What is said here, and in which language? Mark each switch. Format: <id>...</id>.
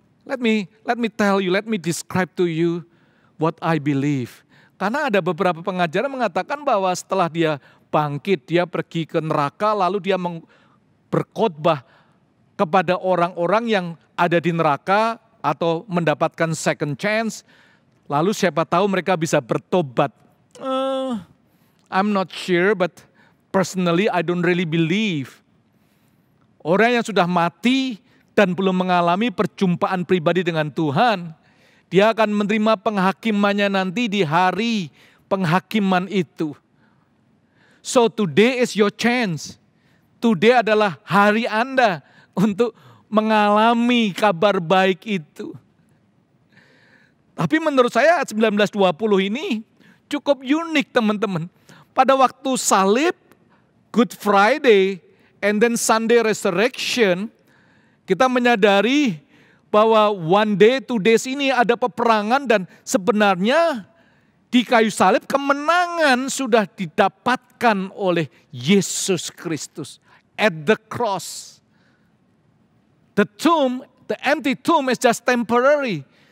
<en>Let me tell you, let me describe to you what I believe.</en> <id>Karena ada beberapa pengajaran mengatakan bahwa setelah dia bangkit, dia pergi ke neraka, lalu dia berkhotbah kepada orang-orang yang ada di neraka atau mendapatkan second chance, lalu siapa tahu mereka bisa bertobat.</id> <en>I'm not sure, but personally I don't really believe.</en> <id>Orang yang sudah mati dan belum mengalami perjumpaan pribadi dengan Tuhan, dia akan menerima penghakimannya nanti di hari penghakiman itu. So today is your chance. Today adalah hari Anda untuk mengalami kabar baik itu. Tapi menurut saya 1920 ini cukup unik, teman-teman. Pada waktu salib, Good Friday, and then Sunday Resurrection, kita menyadari bahwa one day, two days ini ada peperangan, dan sebenarnya di kayu salib kemenangan sudah didapatkan oleh Yesus Kristus.</id> <en>At the cross, the tomb, the empty tomb is just temporary.</en>